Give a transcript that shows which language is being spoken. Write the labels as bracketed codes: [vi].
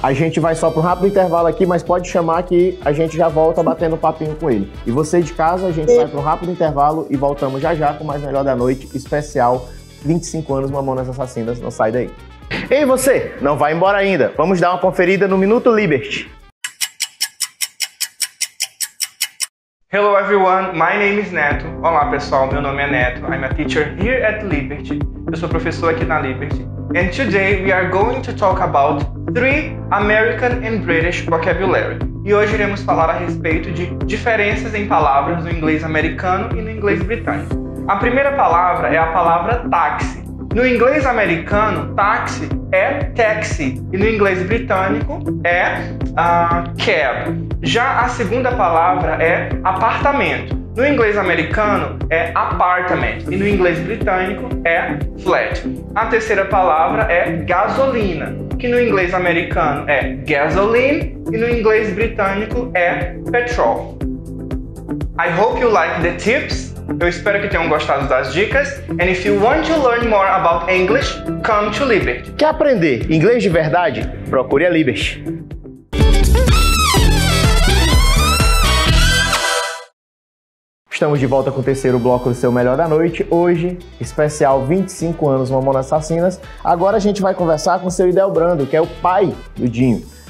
[pt] A gente vai só para um rápido intervalo aqui, mas pode chamar que a gente já volta batendo papinho com ele. E você de casa, a gente vai para um rápido intervalo e voltamos já já com mais Melhor da Noite, especial 25 anos Mamonas Assassinas. Não sai daí. Ei, você! Não vai embora ainda. Vamos dar uma conferida no Minuto Liberty. [en] Hello everyone, my name is Neto. [pt] Olá pessoal, meu nome é Neto. [en] I'm a teacher here at Liberty. [pt] Eu sou professor aqui na Liberty. [en] And today we are going to talk about three American and British vocabulary. [pt] E hoje iremos falar a respeito de diferenças em palavras no inglês americano e no inglês britânico. A primeira palavra é a palavra táxi. No inglês americano, táxi é taxi. E no inglês britânico é cab. Já a segunda palavra é apartamento. No inglês americano é apartment. E no inglês britânico é flat. A terceira palavra é gasolina. Que no inglês americano é gasoline. E no inglês britânico é petrol. [en] I hope you like the tips. [pt] Eu espero que tenham gostado das dicas. [en] And if you want to learn more about English, come to Liberty. [pt] Quer aprender inglês de verdade? Procure a Liberty. Estamos de volta com o terceiro bloco do seu Melhor da Noite. Hoje, especial 25 anos Mamonas Assassinas. Agora a gente vai conversar com o seu Idel Brando, que é o pai do Dinho.